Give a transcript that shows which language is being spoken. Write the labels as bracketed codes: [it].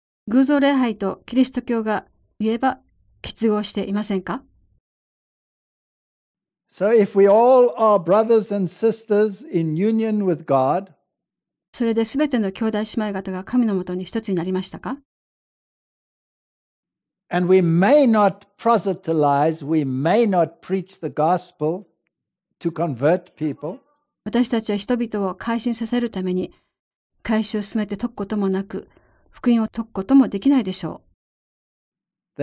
[ja] 偶像礼拝とキリスト教が言えば結合していませんか? [en] So if we all are brothers and sisters in union with God, [ja] それで全ての兄弟姉妹方が神のもとに一つになりましたか? [en] And we may not proselytize, we may not preach the gospel,To convert people. [ja] 私たちは人々を改心させるために改心を進めて説くこともなく福音を説くこともできないでしょう。